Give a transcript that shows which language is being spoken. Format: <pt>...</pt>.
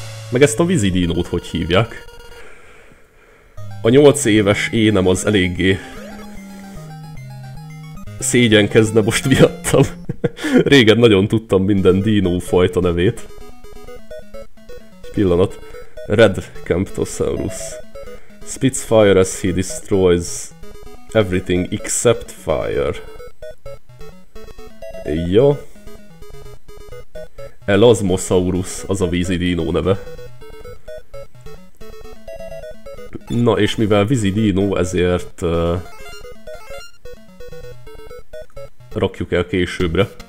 <hu>Meg ezt a vízi dínót hogy hívják. A 8 éves énem az eléggé szégyenkezne most miattam. Régen nagyon tudtam minden dínó fajta nevét. Egy pillanat. Red Camptosaurus.</hu> <en>Spits fire as he destroys everything except fire.</en> <hu>Jó. Elasmosaurus, az a vízi dínó neve. Na és mivel vízi dínó, ezért... rakjuk el későbbre.</hu>